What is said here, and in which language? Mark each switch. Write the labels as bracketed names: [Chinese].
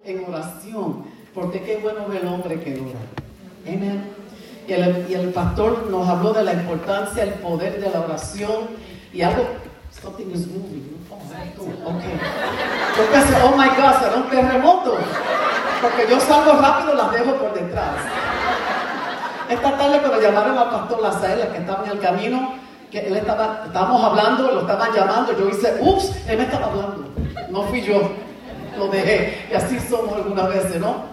[Spanish] en oración, porque qué bueno ver el hombre que ora. Amén. Y el pastor nos habló de la importancia, el poder de la oración. Y algo, [English] something is moving. [Spanish] Okay. Porque, [English] oh my God, [Spanish] será un terremoto. Porque yo salgo rápido, las dejo por detrás. Esta tarde cuando llamaron al pastor Lazael, que estaba en el camino, que él estaba, estábamos hablando, lo estaban llamando, yo hice, ups, él me estaba hablando. No fui yo, lo dejé. Y así somos algunas veces, ¿no?